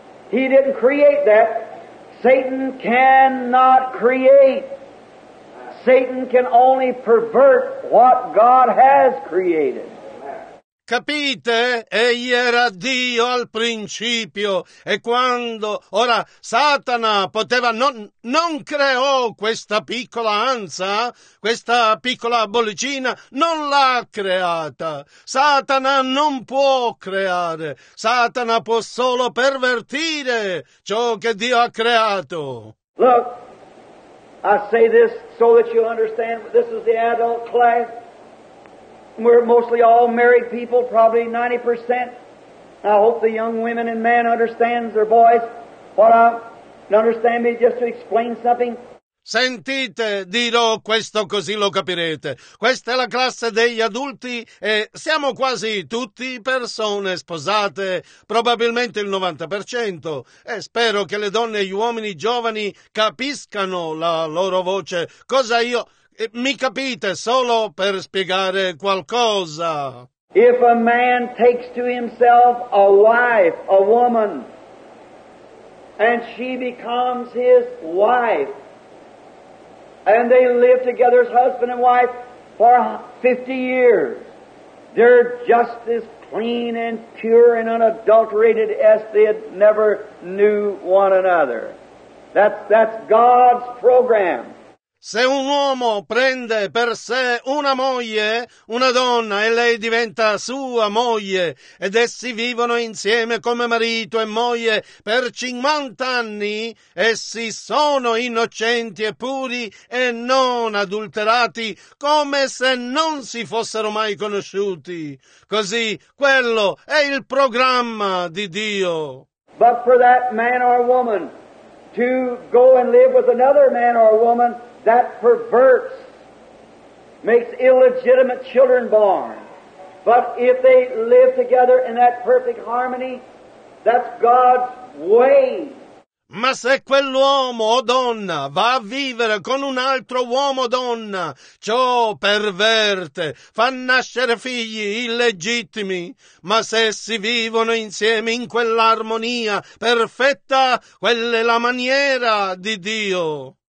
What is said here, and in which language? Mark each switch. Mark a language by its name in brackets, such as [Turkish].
[English] He didn't create that. Satan cannot create. Satan can only pervert what God has created. [Italian] Capite? Egli era Dio al principio e quando, ora, Satana poteva, non creò questa piccola ansa, questa piccola bollicina, non l'ha creata. Satana non può creare, Satana può solo pervertire ciò che Dio ha creato. [English] Look, I say this so that you understand, this is the adult class. We're mostly all married people, probably 90%. I hope the young women and men understand their boys. What I understand me just to explain something. [Italian] Sentite, dirò questo così lo capirete. Questa è la classe degli adulti e siamo quasi tutti persone sposate, probabilmente il 90%. E spero che le donne e gli uomini giovani capiscano la loro voce. Cosa io... Mi capite solo per spiegare qualcosa. [English] If a man takes to himself a wife, a woman, and she becomes his wife, and they live together as husband and wife for 50 years, they're just as clean and pure and unadulterated as they had never knew one another. That's God's program. [Italian] Se un uomo prende per sé una moglie, una donna, e lei diventa sua moglie, ed essi vivono insieme come marito e moglie per 50 anni, essi sono innocenti e puri e non adulterati, come se non si fossero mai conosciuti. Così, quello è il programma di Dio. [English] But for that man or woman to go and live with another man or woman, that perverts, makes illegitimate children born. But if they live together in that perfect harmony, that's God's way. [Italian] Ma se quell'uomo o donna va a vivere con un altro uomo o donna, ciò perverte, fa nascere figli illegittimi. Ma se essi vivono insieme in quell'armonia perfetta, quella è la maniera di Dio.